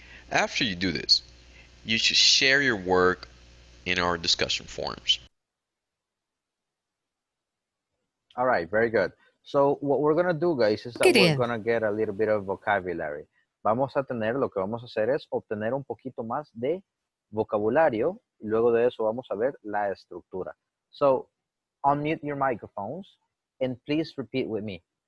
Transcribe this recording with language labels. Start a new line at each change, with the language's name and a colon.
English: After you do this, you should share your work in our discussion forums. All right, very good. So what we're going to do, guys, is that we're going to get a little bit of vocabulary.
Spanish: Vamos a tener, lo que vamos a hacer es obtener un poquito más de vocabulario. Luego de eso, vamos a ver la estructura.
English: So, unmute your microphones and please repeat with me.